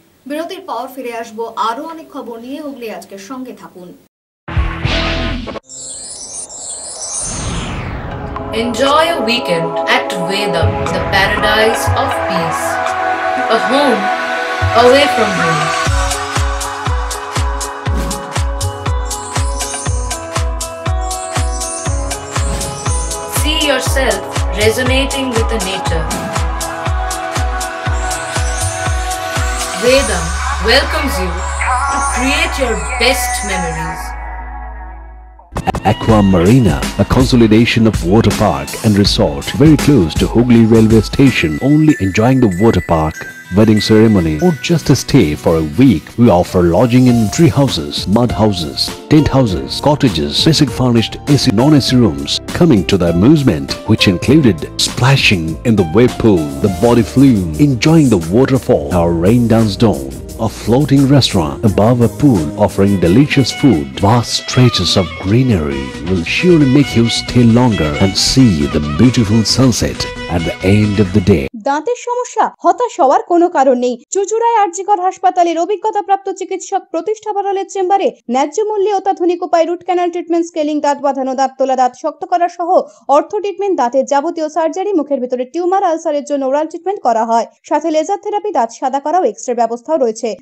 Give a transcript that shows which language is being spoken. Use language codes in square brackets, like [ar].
[bn] বিরতির পর ফিরে আসব আরো অনেক খবর নিয়ে, হুগলি আজকের সঙ্গে থাকুন। [en] Enjoy a weekend at weather, the paradise of peace, a home away from home. See yourself resonating with the nature. Vedam welcomes you to create your best memories. Aqua Marina, a consolidation of water park and resort very close to Hooghly railway station. Only enjoying the water park, wedding ceremony or just a stay for a week, we offer lodging in tree houses, mud houses, tent houses, cottages, basic furnished AC, non-AC rooms, coming to the amusement which included splashing in the wave pool, the body flume, enjoying the waterfall, our rain dance dome, a floating restaurant above a pool offering delicious food, vast stretches of greenery will surely make you stay longer and see the beautiful sunset at the end of the day. [bn] দাঁতের সমস্যা হতাশ হওয়ার কোনো কারণ নেই। চুঁচুড়ায় আরজিকর হাসপাতালের অভিজ্ঞতা প্রাপ্ত চিকিৎসক প্রতিষ্ঠা বড়ালের চেম্বারে ন্যায্য মূল্যে অত্যাধুনিক উপায় রুট ক্যানাল ট্রিটমেন্ট, স্কেলিং, দাঁত বাঁধানো, দাঁত তোলা, দাঁত শক্ত করা সহ অর্থো ট্রিটমেন্ট, দাঁতের যাবতীয় সার্জারি, মুখের ভিতরে টিউমার আলসারের জন্য ওরাল ট্রিটমেন্ট করা হয়, সাথে লেজার থেরাপি, দাঁত সাদা করা ও এক্স রে ব্যবস্থাও রয়েছে।